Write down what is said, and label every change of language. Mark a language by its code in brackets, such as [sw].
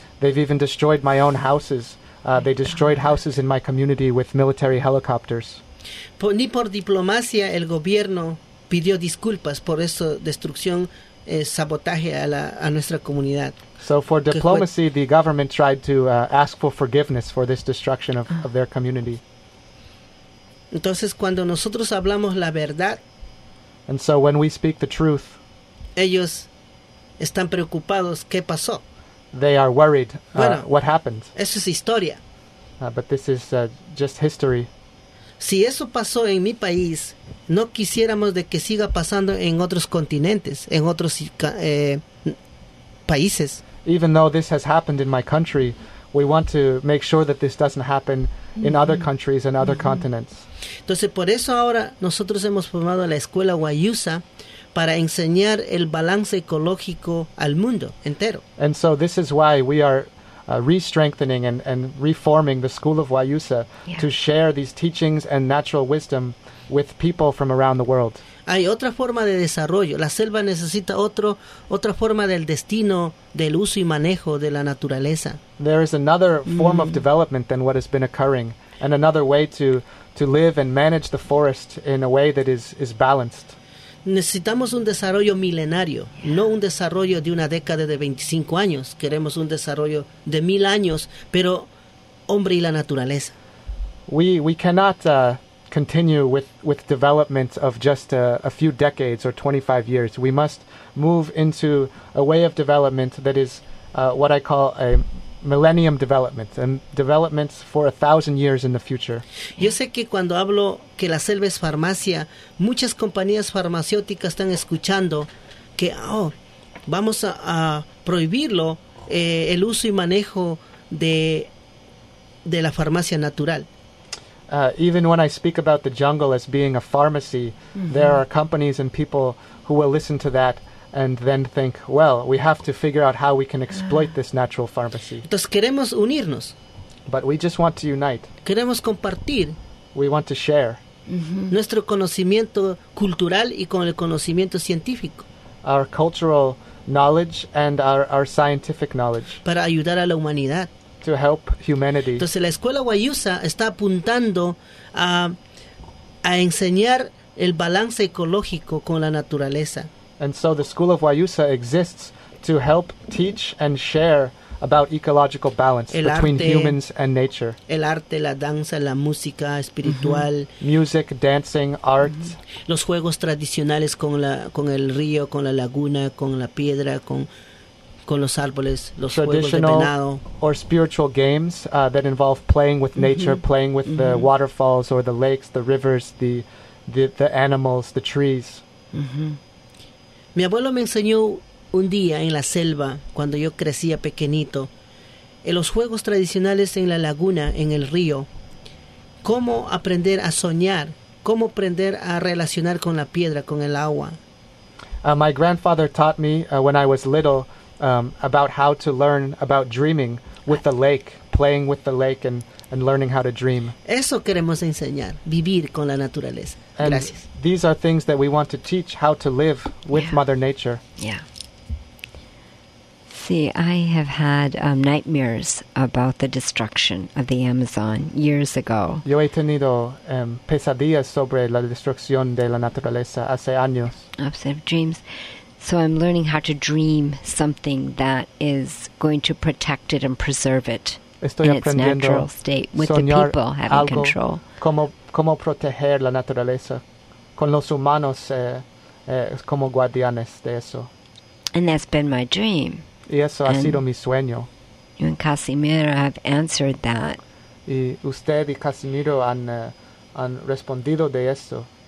[en] They've even destroyed my own houses. They destroyed houses in my community with military helicopters. [es] Ni por diplomacia el gobierno pidió disculpas por esa destrucción, sabotaje a nuestra comunidad. [en] So for diplomacy, the government tried to ask for forgiveness for this destruction of their community. [es] Entonces, cuando nosotros hablamos la verdad, [en] and so when we speak the truth, [es] ellos están preocupados, ¿qué pasó? [en] They are worried, what happened. [es] Eso es historia. [en] But this is just history. [es] Si eso pasó en mi país, no quisiéramos de que siga pasando en otros continentes, en otros países. [en] Even though this has happened in my country, we want to make sure that this doesn't happen in other countries and other continents. [es] Entonces, por eso ahora nosotros hemos formado la Escuela Guayusa para enseñar el balance ecológico al mundo entero. [en] And so this is why we are re-strengthening and reforming the School of Guayusa to share these teachings and natural wisdom with people from around the world. [es] Hay otra forma de desarrollo. La selva necesita otra forma del destino, del uso y manejo de la naturaleza. [en] There is another form of development than what has been occurring, and another way to live and manage the forest in a way that is balanced. [es] Necesitamos un desarrollo milenario, no un desarrollo de una década de 25 años. Queremos un desarrollo de 1,000 años, pero hombre y la naturaleza. [en] We cannot continue with development of just a few decades or 25 years. We must move into a way of development that is what I call a millennium development, and developments for 1,000 years in the future. [es] Yo sé que cuando hablo que la selva es farmacia, muchas compañías farmacéuticas están escuchando que vamos a prohibirlo el uso y manejo de la farmacia natural. [en] Even when I speak about the jungle as being a pharmacy, there are companies and people who will listen to that and then think, well, we have to figure out how we can exploit this natural pharmacy. [es] Entonces queremos unirnos. [en] But we just want to unite. [es] Queremos compartir. [en] We want to share. [es] Nuestro conocimiento cultural y con el conocimiento científico. [en] Our cultural knowledge and our scientific knowledge. [es] Para ayudar a la humanidad. [en] To help humanity. [es] Entonces la Escuela Guayusa está apuntando a enseñar el balance ecológico con la naturaleza. [en] And so the School of Guayusa exists to help teach and share about ecological balance [es] el [en] between [es] arte, [en] humans and nature. [es] El arte, la danza, la música espiritual. [en] Music, dancing, art. [es] Los juegos tradicionales con el río, con la laguna, con la piedra, con los árboles, los [en] traditional [es] juegos de venado. [en] Or spiritual games that involve playing with nature, playing with the waterfalls or the lakes, the rivers, the animals, the trees. [es] Mi abuelo me enseñó un día en la selva, cuando yo crecía pequeñito, en los juegos tradicionales en la laguna, en el río, cómo aprender a soñar, cómo aprender a relacionar con la piedra, con el agua. [en] My grandfather taught me when I was little about how to learn about dreaming with the lake, playing with the lake and learning how to dream. [es] Eso queremos enseñar, vivir con la naturaleza. [en] And [es] gracias. [en] These are things that we want to teach, how to live with yeah. Mother Nature. Yeah. See, I have had nightmares about the destruction of the Amazon years ago. [es] Yo he tenido pesadillas sobre la destrucción de la naturaleza hace años. [en] Observe dreams. So I'm learning how to dream something that is going to protect it and preserve it. [es] Estoy [en] in its natural state with the people having control. [es] Cómo proteger la naturaleza con los humanos como guardianes de eso. [en] And that's been my dream. [es] Y eso ha sido mi sueño. [en] You and Casimiro have answered that. [es] Y usted y Casimiro han respondido de eso.